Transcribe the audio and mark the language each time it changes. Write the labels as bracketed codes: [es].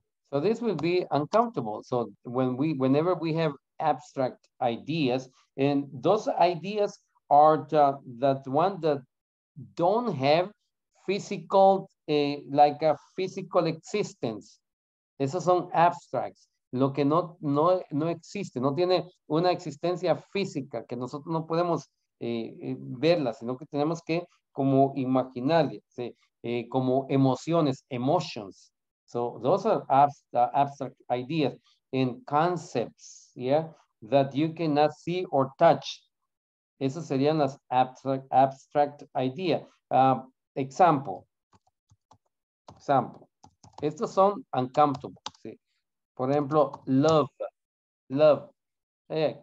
[en] So this will be uncountable. So whenever we have abstract ideas, and those ideas are that one that don't have physical, like a physical existence. [es] Esos son abstracts. Lo que no existe, no tiene una existencia física, que nosotros no podemos verlas, sino que tenemos que como imaginarlas, como emociones, emotions. [en] So those are abstract ideas and concepts, yeah, that you cannot see or touch. [es] Esas serían las abstract ideas. Example. Estos son uncountable. ¿Sí? Por ejemplo, love. Yeah.